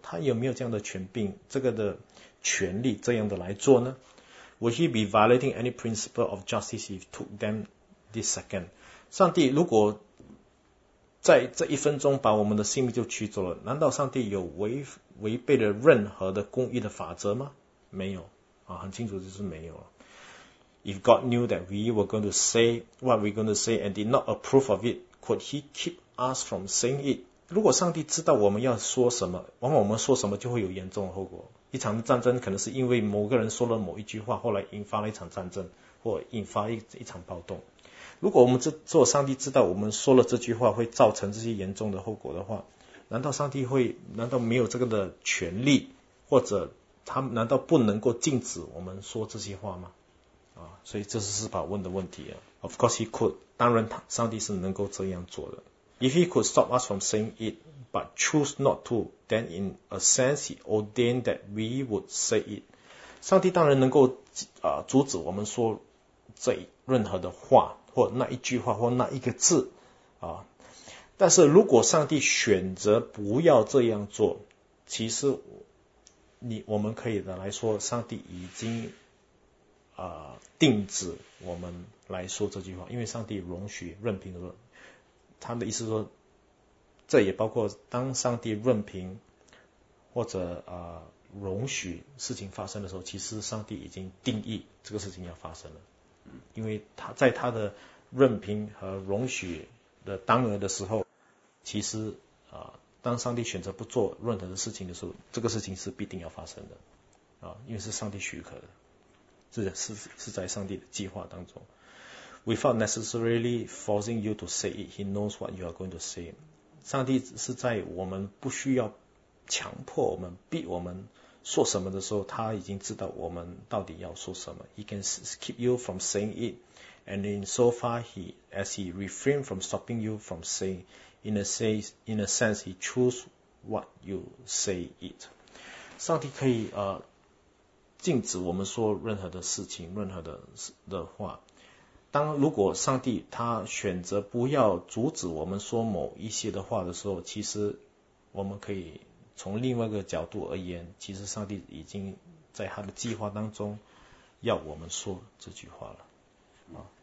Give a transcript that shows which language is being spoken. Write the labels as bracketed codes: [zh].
[zh] 他有没有这样的权柄，这个的权利这样的来做呢 ？ [en] Would he be violating any principle of justice if took them this second？ [zh] 上帝如果在这一分钟把我们的性命就取走了，难道上帝有违背了任何的公义的法则吗？没有啊，很清楚就是没有了。 [en] If God knew that we were going to say what we're going to say and did not approve of it, could he keep us from saying it? [zh] 如果上帝知道我们要说什么，往往我们说什么就会有严重的后果。一场战争可能是因为某个人说了某一句话，后来引发了一场战争，或引发一场暴动。如果我们做上帝知道我们说了这句话会造成这些严重的后果的话，难道没有这个的权利，或者他难道不能够禁止我们说这些话吗？啊，所以这是司法问的问题啊。 [en] Of course he could， [zh] 当然他上帝是能够这样做的。 [en] If he could stop us from saying it but choose not to， then in a sense he ordained that we would say it。 [zh] 上帝当然能够阻止我们说这任何的话或那一句话或那一个字啊，但是如果上帝选择不要这样做，其实我们可以的来说，上帝已经定止我们来说这句话，因为上帝容许任凭说，他的意思说，这也包括当上帝任凭或者容许事情发生的时候，其实上帝已经定义这个事情要发生了，因为他在他的任凭和容许的当额的时候，其实当上帝选择不做任何的事情的时候，这个事情是必定要发生的啊，因为是上帝许可的，是在上帝的计划当中。 [en] Without necessarily forcing you to say it, he knows what you are going to say. [zh] 上帝是在我们不需要强迫我们、逼我们说什么的时候，他已经知道我们到底要说什么。 [en] He can keep you from saying it, and in so far he as he refrain from stopping you from saying. In a sense, he choose what you say it. [zh] 上帝可以禁止我们说任何的事情、任何的话。当如果上帝他选择不要阻止我们说某一些的话的时候，其实我们可以从另外一个角度而言，其实上帝已经在他的计划当中要我们说这句话了。